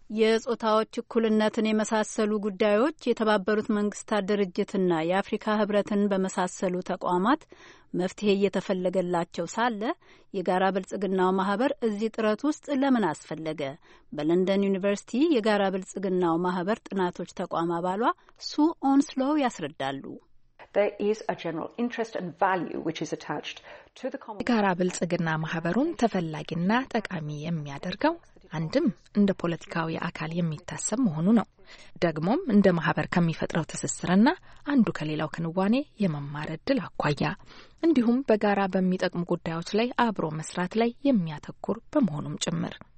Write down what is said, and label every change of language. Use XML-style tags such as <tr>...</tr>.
<am>የጾታዎች እኩልነትን የመሳሰሉ ጉዳዮች የተባበሩት መንግስታት ድርጅትና የአፍሪካ ህብረትን በመሳሰሉ ተቋማት መፍትሄ እየተፈለገላቸው ሳለ የጋራ ብልጽግናው ማህበር እዚህ ጥረት ውስጥ ለምን አስፈለገ? በለንደን ዩኒቨርሲቲ የጋራ ብልጽግናው ማህበር ጥናቶች ተቋም አባሏ ሱ ኦንስሎ ያስረዳሉ።</am> <en>There is a general interest and value which is attached to the common</en> <am>የጋራ ብልጽግና ማህበሩን ተፈላጊና ጠቃሚ የሚያደርገው አንድም እንደ ፖለቲካዊ አካል የሚታሰብ መሆኑ ነው። ደግሞም እንደ ማህበር ከሚፈጥረው ተስስርና አንዱ ከሌላው ክንዋኔ የመማር እድል አኳያ እንዲሁም በጋራ በሚጠቅሙ ጉዳዮች ላይ አብሮ መስራት ላይ የሚያተኩር በመሆኑም ጭምር።</am>